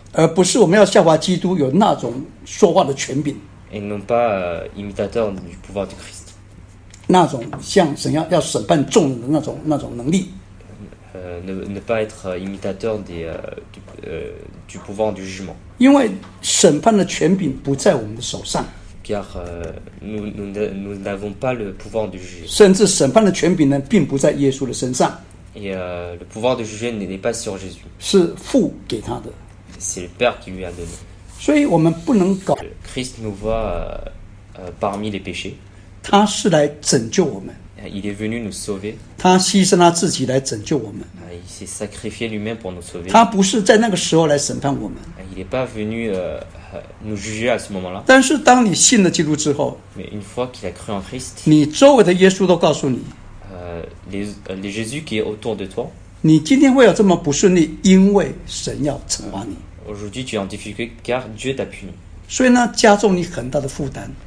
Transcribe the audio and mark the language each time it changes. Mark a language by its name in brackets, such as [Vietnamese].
[Chinese] 而不是我们要效法基督有那种说话的权柄。 [French] Et non pas imitateurs du pouvoir de Christ. [Chinese] 那种像神要审判众人的那种能力。 [French] Ne pas être imitateur du pouvoir du jugement. [Chinese] 因为审判的权柄不在我们的手上。 [French] Car nous n'avons pas le pouvoir de juger. [Chinese] 甚至审判的权柄呢，并不在耶稣的身上。 [French] Et le pouvoir de juger n'est pas sur Jésus. [Chinese] 是父给他的。 [French] C'est le Père qui lui a donné. [Chinese] 所以我们不能搞。 [French] Christ nous voit parmi les péchés. [Chinese] 他是来拯救我们。 [French] Il est venu nous sauver. [Chinese] 他牺牲他自己来拯救我们。 [French] Il s'est sacrifié lui-même pour nous sauver. [Chinese] 他不是在那个时候来审判我们。 [French] Il n'est pas venu nous juger à ce moment-là. [Chinese] 但是当你信了基督之后， [French] Mais une fois qu'il a cru en Christ, [Chinese] 你周围的耶稣都告诉你， [French] les Jésus qui est autour de toi, [Chinese] 你今天会有这么不顺利，因为神要惩罚你。 [French] Aujourd'hui, tu es en difficulté car Dieu t'a puni. [Chinese] 所以呢，加重你很大的负担。